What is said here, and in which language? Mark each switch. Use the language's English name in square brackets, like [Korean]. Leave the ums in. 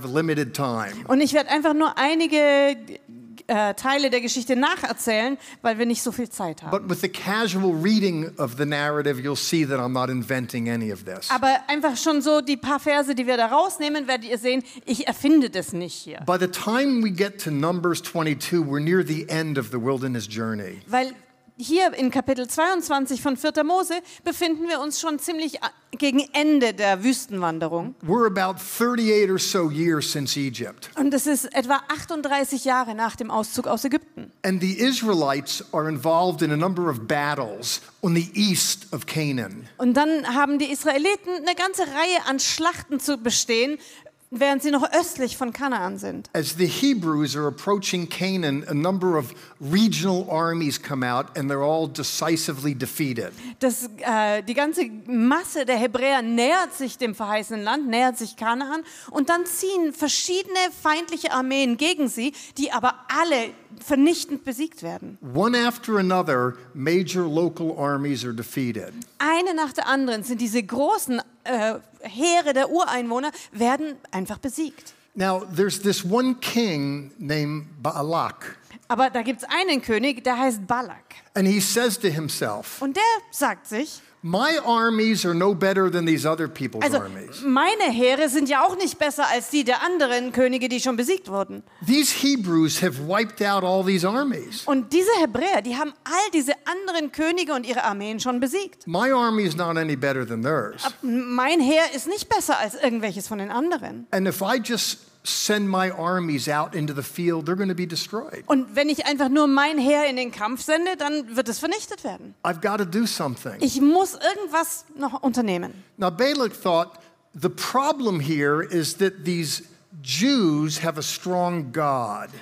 [German] Und ich werde einfach nur einige Uh, teile der Geschichte nacherzählen, weil wir nicht so viel Zeit haben. Aber einfach schon so die paar Verse, die wir da rausnehmen, werdet ihr sehen, ich erfinde das nicht hier. [English] By the time we get to Numbers 22, we're near the end of the wilderness journey. [German] Weil hier in Kapitel 22 von 4. Mose befinden wir uns schon ziemlich gegen Ende der Wüstenwanderung. So Und es ist etwa 38 Jahre nach dem Auszug aus Ägypten. [English] And the Israelites are in a number of battles on the east of Canaan. [German] Und dann haben die Israeliten eine ganze Reihe an Schlachten zu bestehen während sie noch östlich von Kanaan sind. [English] As the Hebrews are approaching Canaan, a number of regional armies come out and they're all decisively defeated. [German] Das, äh, die ganze Masse der Hebräer nähert sich dem verheißenen Land, nähert sich Kanaan und dann ziehen verschiedene feindliche Armeen gegen sie, die aber alle vernichtend besiegt werden. [English] One after another, major local armies are defeated. [German] Eine nach der anderen sind diese großen Heere der Ureinwohner werden einfach besiegt. Now, Aber da gibt es einen König, der heißt Balak. [English] He himself, [German] Und der sagt sich. Meine Heere sind ja auch nicht besser als die der anderen Könige, die schon besiegt wurden. [English] These Hebrews have wiped out all these armies. [German] Und diese Hebräer, die haben all diese anderen Könige und ihre Armeen schon besiegt. [English] My army is not any better than theirs. [German] Aber mein Heer ist nicht besser als irgendwelches von den anderen. [English] And if I just send my armies out into the field, they're going to be destroyed. [German] And wenn [English] I simply send [German] mein Heer in den Kampf sende, dann wird es vernichtet werden. [English] I've got to do something. [German] Ich muss irgendwas noch [English] Now Balak thought the problem here is that these Jews have a strong God.